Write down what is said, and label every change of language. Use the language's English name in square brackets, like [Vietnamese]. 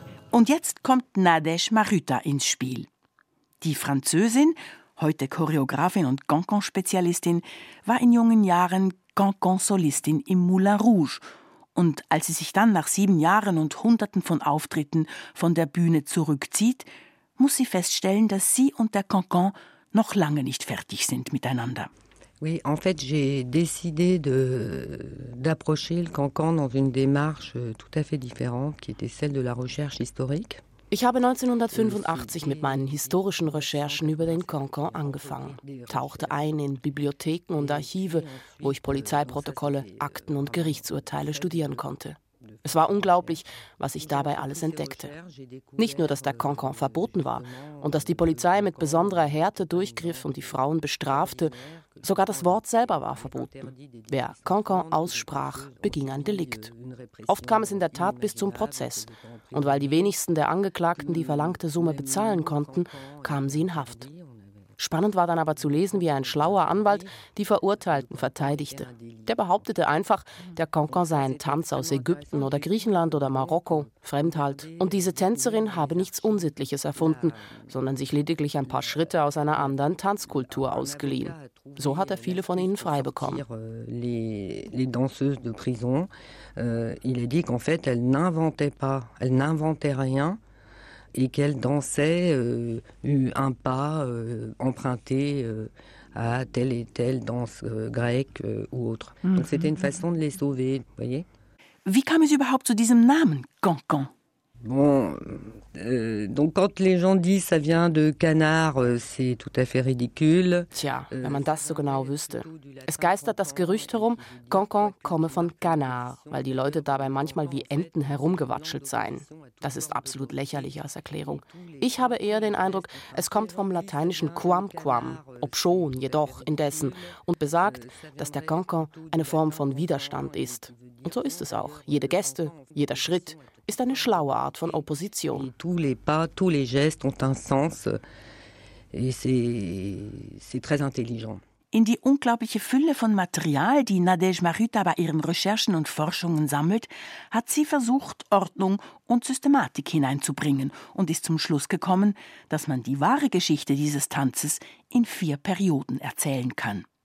[German] Und jetzt kommt Nadège Maruta ins Spiel. Die Französin, heute Choreografin und Cancan-Spezialistin, war in jungen Jahren Cancan-Solistin im Moulin Rouge. Und als sie sich dann nach 7 Jahren und Hunderten von Auftritten von der Bühne zurückzieht, muss sie feststellen, dass sie und der Cancan noch lange nicht fertig sind miteinander. [French] Oui, en fait, j'ai décidé d'approcher le Cancan dans une démarche tout à fait différente, qui était celle de la recherche historique. [German] Ich habe 1985 mit meinen historischen Recherchen über den Cancan angefangen, tauchte ein in Bibliotheken und Archive, wo ich Polizeiprotokolle, Akten und Gerichtsurteile studieren konnte. Es war unglaublich, was ich dabei alles entdeckte. Nicht nur, dass der Cancan verboten war und dass die Polizei mit besonderer Härte durchgriff und die Frauen bestrafte, sogar das Wort selber war verboten. Wer Cancan aussprach, beging ein Delikt. Oft kam es in der Tat bis zum Prozess. Und weil die wenigsten der Angeklagten die verlangte Summe bezahlen konnten, kamen sie in Haft. Spannend war dann aber zu lesen, wie ein schlauer Anwalt die Verurteilten verteidigte. Der behauptete einfach, der Cancan sei ein Tanz aus Ägypten oder Griechenland oder Marokko, Fremdhalt. Und diese Tänzerin habe nichts Unsittliches erfunden, sondern sich lediglich ein paar Schritte aus einer anderen Tanzkultur ausgeliehen. So hat er viele von ihnen frei bekommen. [French] Les danseuses de prison, il a dit qu'en fait elle n'inventait pas, elle n'inventait rien. Et qu'elle dansait un pas emprunté à telle et telle danse grecque ou autre. Mm-hmm. Donc c'était une façon de les sauver, vous voyez. [German] Wie kam es überhaupt zu diesem Namen, Cancan? [French] Bon, donc quand les gens disent ça vient de canard, c'est tout à fait ridicule. [German] Tja, wenn man das so genau wüsste. Es geistert das Gerücht herum, Cancan komme von Canard, weil die Leute dabei manchmal wie Enten herumgewatschelt seien. Das ist absolut lächerlich als Erklärung. Ich habe eher den Eindruck, es kommt vom lateinischen quamquam, obschon, jedoch, indessen, und besagt, dass der Cancan eine Form von Widerstand ist. Und so ist es auch. Jede Geste, jeder Schritt ist eine schlaue Art von Opposition. [French] Tous les pas, tous les gestes ont un sens et c'est très intelligent. [German] In die unglaubliche Fülle von Material, die Nadège Maruta bei ihren Recherchen und Forschungen sammelt, hat sie versucht, Ordnung und Systematik hineinzubringen und ist zum Schluss gekommen, dass man die wahre Geschichte dieses Tanzes in 4 Perioden erzählen kann.